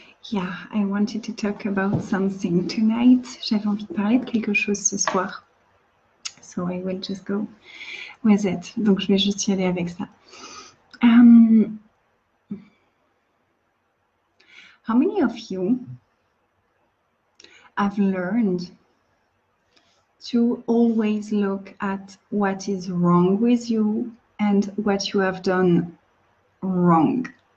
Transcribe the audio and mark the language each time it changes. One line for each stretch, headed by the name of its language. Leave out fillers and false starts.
English: Yeah, I wanted to talk about something tonight.
French: J'avais envie de parler de quelque chose ce soir.
English: So I will just go with it.
French: Donc je vais juste y aller avec ça.
English: How many of you have learned to always look at what is wrong with you and what you have done wrong?